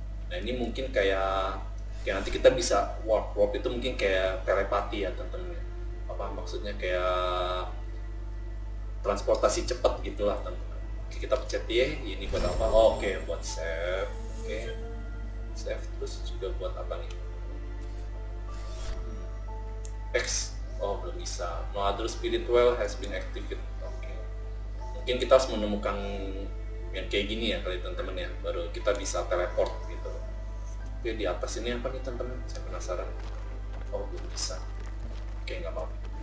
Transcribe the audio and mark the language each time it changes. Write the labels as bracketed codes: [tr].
[id] Nah, ini mungkin kayak nanti kita bisa warp warp itu mungkin kayak telepati ya teman-teman. Apa maksudnya kayak transportasi cepat gitulah teman-teman. Oke, kita pencet ya. Ini buat apa? Oh, oke, buat save. Oke. Save terus juga buat apa nih? X. Oh, belum bisa. [en] No other spirit well has been activated. Okay. [id] Mungkin kita harus menemukan yang kayak gini ya kali teman-teman ya, baru kita bisa teleport gitu. Oke, di atas ini apa nih teman-teman? Saya penasaran. Oh, belum bisa. Oke, nggak apa-apa.